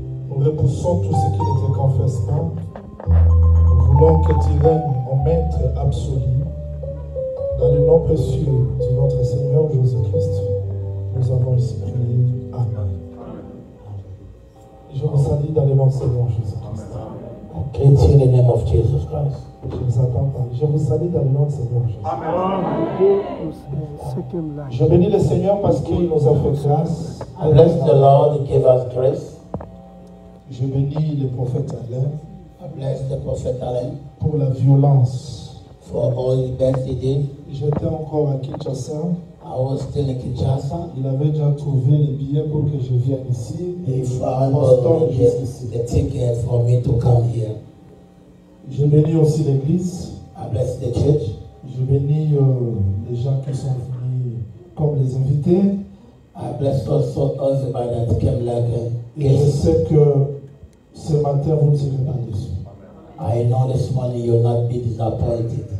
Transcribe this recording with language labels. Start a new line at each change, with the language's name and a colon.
French: repoussant tout ce qui n'était qu'en festin, voulant qu'il règne en maître absolu, dans le nom précieux de notre Seigneur Jésus-Christ, nous avons ici prié. Amen. Je vous salue dans le nom de Seigneur Jésus-Christ.
English: Amen. In the name of Jesus Christ.
French: Je vous attends pas. Je vous salue dans le nom de Seigneur Jésus. Amen. Je bénis le Seigneur parce qu'il nous a fait grâce.
English: I bless the Lord and give us grace.
French: Je bénis le prophète Alain.
English: I bless the prophet Alain.
French: Pour la violence.
English: For all the best he did.
French: J'étais encore à Kinshasa.
English: I was still in Kinshasa.
French: Il avait déjà trouvé les billets pour que je vienne ici.
English: He found the ticket for me to come here.
French: Je bénis aussi l'église.
English: I bless the church.
French: Je bénis les gens qui sont venus comme les invités.
English: I bless also everybody that came like guests.
French: Je sais que ce matin vous ne serez pas déçus.
English: I know this morning you will not be disappointed.